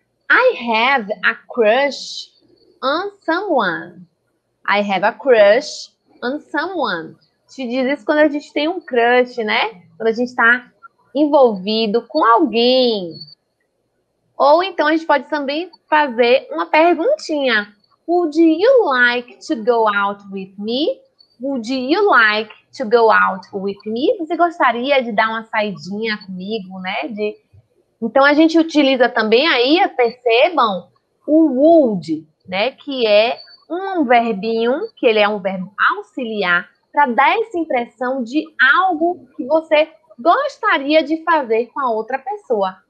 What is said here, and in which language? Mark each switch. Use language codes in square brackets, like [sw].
[en] I have a crush on someone. I have a crush on someone. [pt] Te diz isso quando a gente tem um crush, né? Quando a gente está envolvido com alguém. Ou então a gente pode também fazer uma perguntinha. [en] Would you like to go out with me? Would you like to go out with me? [pt] Você gostaria de dar uma saidinha comigo, né? Então a gente utiliza também aí, percebam, o would, né? Que é um verbinho, que ele é um verbo auxiliar, para dar essa impressão de algo que você gostaria de fazer com a outra pessoa.